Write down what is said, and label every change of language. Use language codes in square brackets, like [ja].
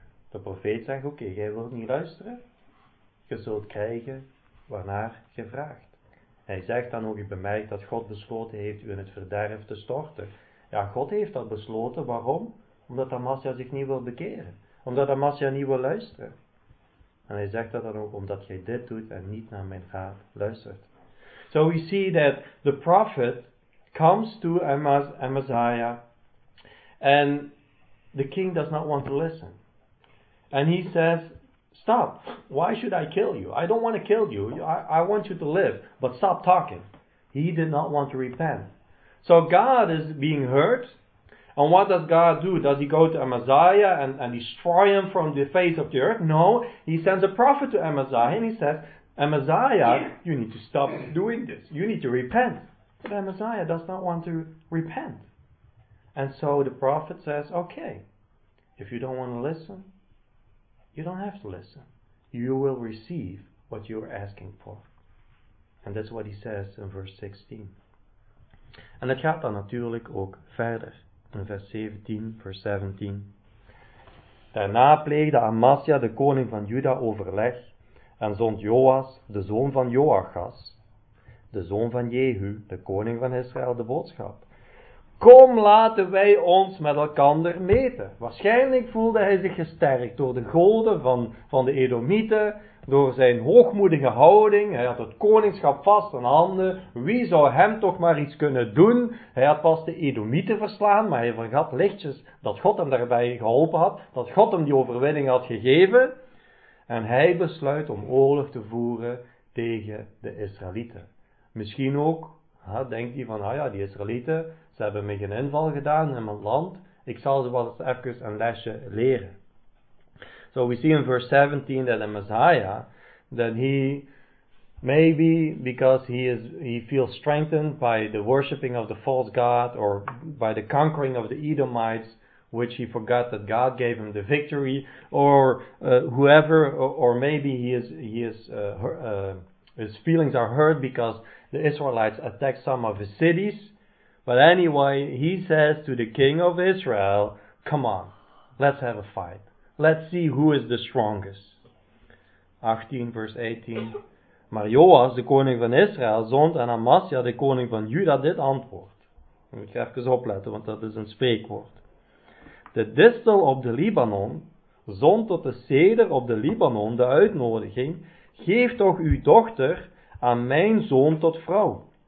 [nl] De profeet zegt, oké, jij wilt niet luisteren. Je zult krijgen waarnaar je vraagt. Hij zegt dan ook, ik bemerk dat God besloten heeft u in het verderf te storten. Ja, God heeft dat besloten. Waarom? Omdat Amasja zich niet wil bekeren. Omdat Amasja niet wil luisteren. En hij zegt dat dan ook, omdat jij dit doet en niet naar mijn raad luistert. [en] So we see that the prophet comes to Amaziah and the king does not want to listen. And he says, stop, why should I kill you? I don't want to kill you, I want you to live, but stop talking. He did not want to repent. So God is being hurt. And what does God do? Does he go to Amaziah and destroy him from the face of the earth? No, he sends a prophet to Amaziah and he says, Amaziah, you need to stop doing this. You need to repent. But Amaziah does not want to repent. And so the prophet says, okay, if you don't want to listen, you don't have to listen. You will receive what you are asking for. And that's what he says in verse 16. [nl] And het gaat dan natuurlijk ook verder. In verse 17. Daarna pleegde Amasja, de koning van Juda, overleg. En zond Joas, de zoon van Joachas, de zoon van Jehu, de koning van Israël, de boodschap. Kom, laten wij ons met elkander meten. Waarschijnlijk voelde hij zich gesterkt door de goden van de Edomieten, door zijn hoogmoedige houding. Hij had het koningschap vast aan handen. Wie zou hem toch maar iets kunnen doen? Hij had pas de Edomieten verslaan, maar hij vergat lichtjes dat God hem daarbij geholpen had, dat God hem die overwinning had gegeven. En hij besluit om oorlog te voeren tegen de Israëlieten. Misschien ook, denkt hij van, die Israëlieten, ze hebben me geen inval gedaan in mijn land. Ik zal ze wel eens even een lesje leren. [en] So we see in verse 17 that the Messiah, that he, maybe because he feels strengthened by the worshipping of the false god or by the conquering of the Edomites, which he forgot that God gave him the victory, his feelings are hurt because the Israelites attacked some of his cities. But anyway, he says to the king of Israel, come on, let's have a fight. Let's see who is the strongest. 18, verse 18. [nl] Maar Joas, de koning van Israël, zond aan Amasja, de koning van Juda, dit antwoord. Dan moet je even opletten, want dat is een spreekwoord. De distel op de Libanon zond tot de ceder op de Libanon de uitnodiging, geef toch uw dochter aan mijn zoon tot vrouw.